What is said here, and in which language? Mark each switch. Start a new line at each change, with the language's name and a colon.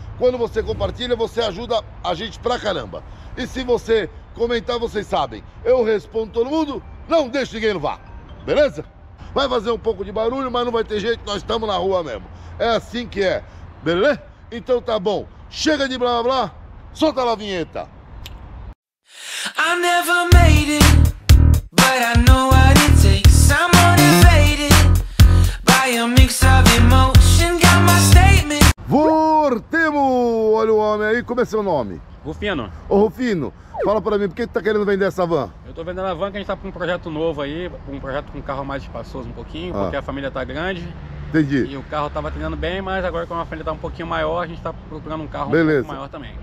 Portuguese: Quando você compartilha, você ajuda a gente pra caramba. E se você comentar, vocês sabem, eu respondo todo mundo, não deixo ninguém no vácuo. Beleza? Vai fazer um pouco de barulho, mas não vai ter jeito, nós estamos na rua mesmo. É assim que é, beleza? Então tá bom, chega de blá blá blá, solta lá a vinheta.
English: I never made it, but I know what it takes. I'm motivated by a mix of emotion, got my statement.
Portuguese: Vortemo, olha o homem aí, como é seu nome? Rufino. Ô Rufino, fala pra mim, por que tu tá querendo vender essa van? Eu tô vendendo a van que a gente tá com um projeto novo aí, um projeto com um carro mais espaçoso um pouquinho, porque a família tá grande. Entendi. E o carro tava treinando bem, mas agora como a família tá um pouquinho maior, a gente tá procurando um carro um pouco maior também.